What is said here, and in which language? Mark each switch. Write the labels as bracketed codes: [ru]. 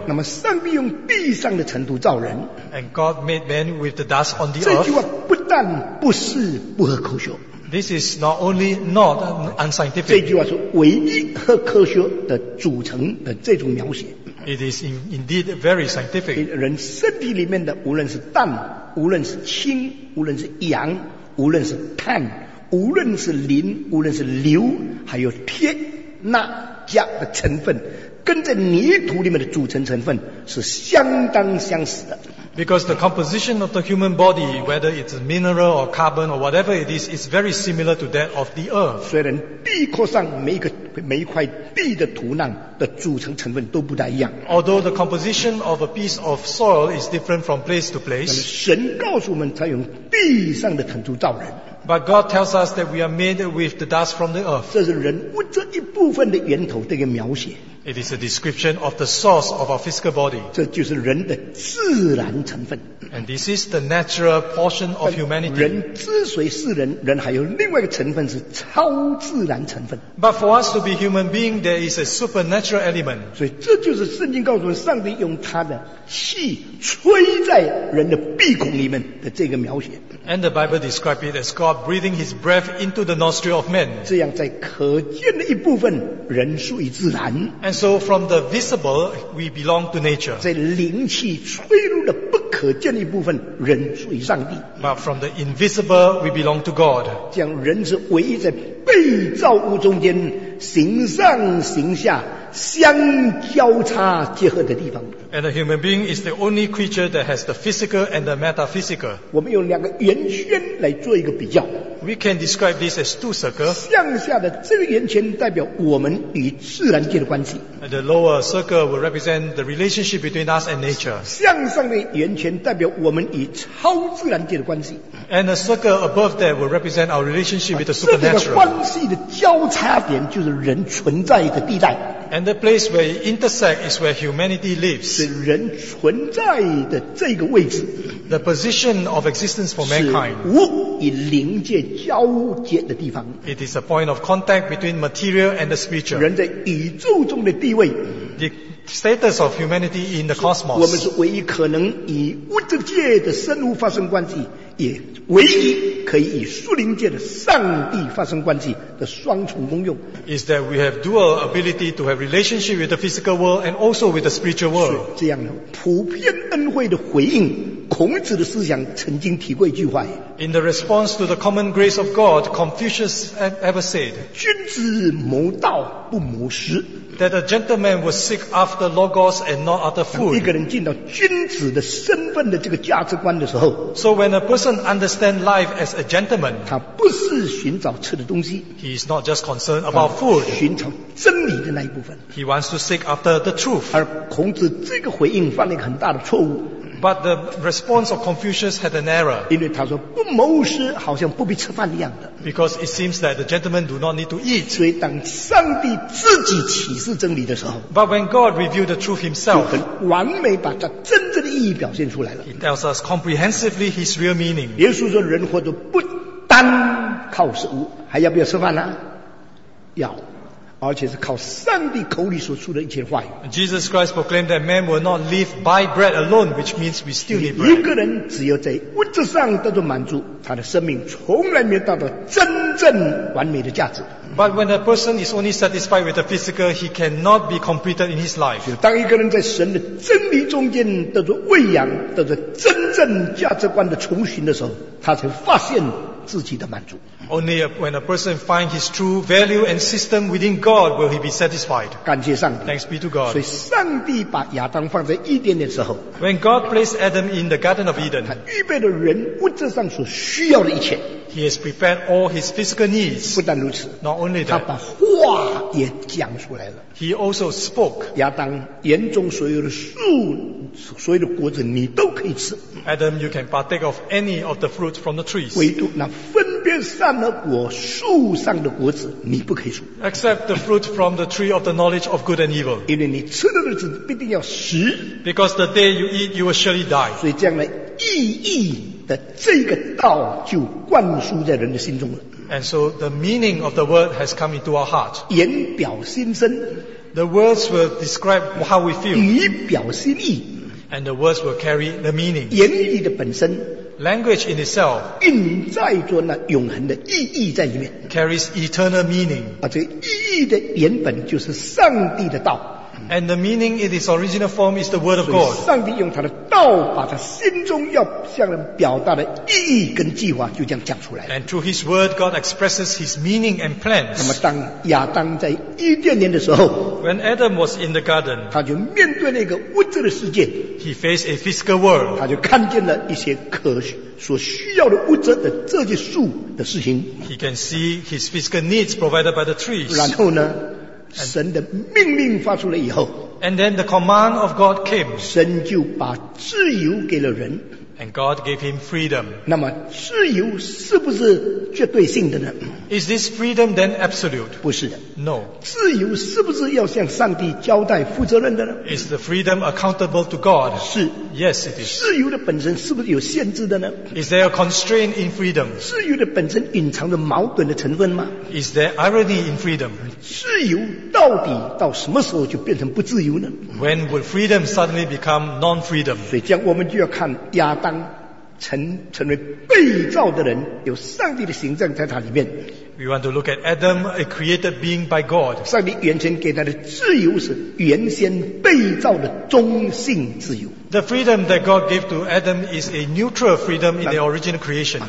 [zh] 那么上帝用地上的尘土造人。 [en] And God made man with the dust on the earth. [zh] 这句话不但不是不合科学。 [en] This is not only not unscientific. [zh] 这句话是唯一和科学的组成的这种描写。 [en] It is indeed very scientific. [zh] 人身体里面的无论是氮，无论是氢，无论是氧，无论是碳，无论是磷，无论是硫，还有铁、钠、钾的成分，跟着泥土里面的组成成分是相当相似的。 [en] Because the composition of the human body, whether it's mineral or carbon or whatever it is very similar to that of the earth. [zh] 虽然地壳上每一块地的土壤的组成成分都不太一样。 [en] Although the composition of a piece of soil is different from place to place. [zh] 神告诉我们他用地上的尘土造人。 [en] But God tells us that we are made with the dust from the earth. [zh] 这是人物这一部分的源头的一个描写。 [en] It is a description of the source of our physical body. [zh] 这就是人的自然成分。 [en] And this is the natural portion of humanity. [zh] 人之所以是人，人还有另外一个成分是超自然成分。 [en] But for us to be human being, there is a supernatural element. [zh] 所以这就是圣经告诉我们，上帝用他的气吹在人的鼻孔里面的这个描写。 [en] And the Bible describes it as God breathing His breath into the nostril of man. [zh] 这样在可见的一部分，人属于自然。 [en] And so from the visible, we belong to nature. [zh] 在灵气吹入的不可见的一部分，人属于上帝。 [en] But from the invisible, we belong to God. [zh] 这样人是唯一在被造物中间，形上形下相交叉结合的地方。 [en] And a human being is the only creature that has the physical and the metaphysical. [zh] 我们用两个圆圈来做一个比较。 [en] We can describe this as two circles. [zh] 向下的这个圆圈代表我们与自然界的关系。 [en] The lower circle will represent the relationship between us and nature. [zh] 向上的圆圈代表我们与超自然界的关系。 [en] And a circle above that will represent our relationship with the supernatural. [zh] 这个关系的交叉点就是人存在的地带。 [en] And the place where it intersects is where humanity lives. [zh] 是人存在的这个位置。 [en] The position of existence for mankind. [zh] 是物与灵界交接的地方。 [en] It is a point of contact between material and the spiritual. [zh] 人在宇宙中的地位。 [en] The status of humanity in the cosmos. [zh] 我们是唯一可能与物质界的生物发生关系，也唯一可以与树林界的上帝发生关系的双重功用。 [en] Is that we have dual ability to have relationship with the physical world and also with the spiritual world. [zh] 这样呢，普遍恩惠的回应，孔子的思想曾经提过一句话。 [en] In the response to the common grace of God, Confucius ever said, [zh] 君子谋道不谋食。 [en] That a gentleman will seek after logos and not after food. [zh] 一个人进到君子的身份的这个价值观的时候 [en] ，So when a person understands life as a gentleman, [zh] 他不是寻找吃的东西 [en] ，He is not just concerned about food. [zh] 寻找真理的那一部分 [en] ，He wants to seek after the truth. [zh] 而孔子这个回应犯了一个很大的错误。 [en] But the response of Confucius had an error. [zh] 因为他说不谋食好像不必吃饭一样的。 [en] Because it seems that the gentlemen do not need to eat. [zh] 所以当上帝自己启示真理的时候 [en] ，But when God revealed the truth Himself, [zh] 就很完美把他真正的意义表现出来了。 [en] He tells us comprehensively His real meaning. [zh] 耶稣说人活着不单靠食物，还要不要吃饭呢？要。而且是靠上帝口里所出的一切话语。 [en] Jesus Christ proclaimed that man will not live by bread alone, which means we still need bread. [zh] 一个人只有在物质上得到满足，他的生命从来没有达到真正完美的价值。 [en] But when a person is only satisfied with the physical, he cannot be completed in his life. [zh] 当一个人在神的真理中间得到喂养，得到真正价值观的重寻的时候，他才发现自己的满足。 [en] Only when a person finds his true value and system within God will he be satisfied. [zh] 感谢上帝。 [en] Thanks be to God. [zh] 所以上帝把亚当放在伊甸的时候 [en] ，When God placed Adam in the Garden of Eden， [zh] 他预备了人物质上所需要的一切。 [en] He has prepared all his physical needs. [zh] 不但如此 [en] ，Not only that， [zh] 他把话也讲出来了。 [en] He also spoke. [zh] 亚当，园中所有的树，所有的果子，你都可以吃。 [en] Adam, you can partake of any of the fruit from the trees. [zh] 唯独那分别善恶果树上的果子，你不可以吃。 [en] Except the fruit from the tree of the knowledge of good and evil. [zh] 因为你吃的日子必定要死。 [en] Because the day you eat, you will surely die. [zh] 所以这样的意义的这个道就灌输在人的心中了。 [en] And so the meaning of the word has come into our heart. [zh] 言表心声。 [en] The words will describe how we feel. [zh] 语表心意。 [en] And the words will carry the meaning. [zh] 言语的本身。 [en] Language in itself. [zh] 蕴载着那永恒的意义在里面。 [en] Carries eternal meaning. [zh] 而这意义的原本就是上帝的道。 [en] And the meaning in its original form is the word of God. [zh] 上帝用他的道把他心中要向人表达的意义跟计划就这样讲出来。 [en] And through his word, God expresses his meaning and plans. [zh] 那么当亚当在伊甸园的时候 [en] ，When Adam was in the garden， [zh] 他就面对了一个物质的世界。 [en] He faced a physical world. [zh] 他就看见了一些可惜。所需要的物质的这些树的事情 [en] He can see his physical needs provided by the trees. [zh] 然后呢神的命令发出了以后 [en] And then the command of God came. [zh] 神就把自由给了人 [en] And God gave him freedom. [zh] 那么自由是不是绝对性的呢 [en] Is this freedom then absolute? [zh] 不是的 [en] No. [zh] 自由是不是要向上帝交代负责任的呢 [en] Is the freedom accountable to God? [zh] 是 [en] Yes, it is. [zh] 自由的本身是不是有限制的呢 [en] Is there a constraint in freedom? [zh] 自由的本身隐藏着矛盾的成分吗 [en] Is there irony in freedom? [zh] 自由到底到什么时候就变成不自由呢 [en] When will freedom suddenly become non-freedom? [zh] 所以这样我们就要看亚当成为被造的人有上帝的形象在他里面 [en] We want to look at Adam, a created being by God. [zh] 上帝原先给他的自由是原先被造的中性自由 [en] The freedom that God gave to Adam is a neutral freedom in the original creation.